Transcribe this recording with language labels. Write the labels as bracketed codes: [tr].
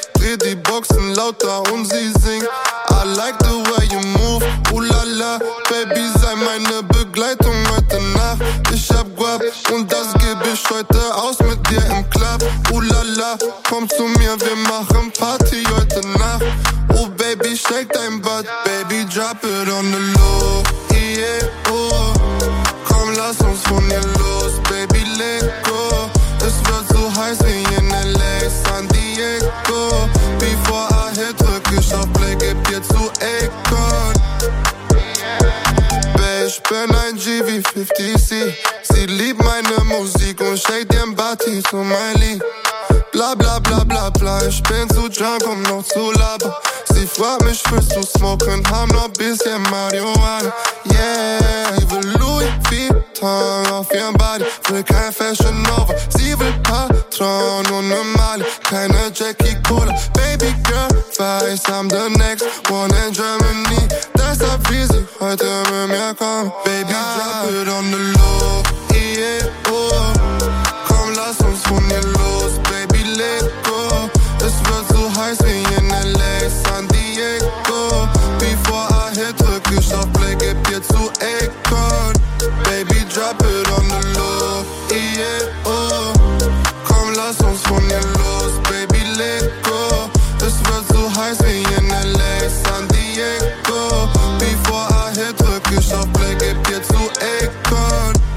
[de] Dreh die Boxen lauter und sie singt. [en] I like the way you move, [de] ooh-la-la. Baby, sei meine Begleitung heute Nacht. Ich hab Guap und das geb ich heute aus mit dir im Club. Ooh-la-la, komm zu mir, wir machen Party heute Nacht. Oh, Baby, shake dein Butt. [en] Baby, drop it on the low, yeah, oh. [de] Komm, lass uns von hier los, [en] Baby, let go. [de] Es wird so heiß wie in L.A., San Diego. Bevor [en] I hit, [de] drück ich auf Play, gib dir zu Akon. Babe, ich bin ein G wie 50C. Sie liebt meine Musik und shake den Body zu Miley. Bla bla bla bla bla, ich bin zu drunk, um noch zu labern. Sie fragt mich, willst du smoken, hab noch bisschen Marihuana. Yeah, ich will Louis Vuitton auf ihrem Body. Will kein Fashion Nova, sie will Patron und eine Mali. Keine Jackie Cola, Baby Girl, weiß, [en] I'm the next one in Germany. [de] Deshalb will sie heute mit mir kommen. [en] Baby, drop it on the low, yeah, oh. [de] Komm, lass uns von hier los, [en] Baby, let go. [de] Es wird so heiß wie in L.A., San Diego. Bevor [en] I hit, [de] drück ich auf Play, gib dir zu Akon. [en] Baby, drop it on the low, yeah, oh. [de] Komm, lass uns von hier los, [en] Baby, let go. [de] Es wird so heiß wie in L.A., San Diego. Bevor [en] I hit, [de] drück ich auf Play, gib dir zu Akon.